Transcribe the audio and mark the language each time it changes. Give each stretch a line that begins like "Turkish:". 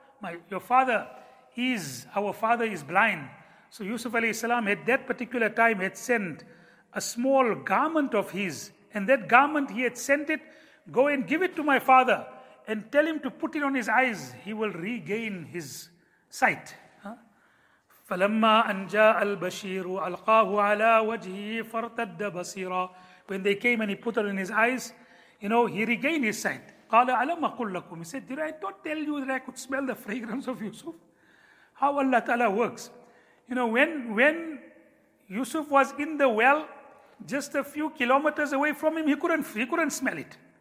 English: Our father is blind. So Yusuf alayhi salam at that particular time had sent a small garment of his, and that garment he had sent it, go and give it to my father and tell him to put it on his eyes, he will regain his sight.
Arabic: فلما أن جاء البشير ألقاه على وجهه فارتد بصيرا.
English: When they came and he put it in his eyes, you know, he regained his sight.
Arabic: قال ألم أقول لكم.
English: He said, did I not tell you that I could smell the fragrance of Yusuf? How Allah Ta'ala works. You know, when Yusuf was in the well, just a few kilometers away from him, he couldn't smell it.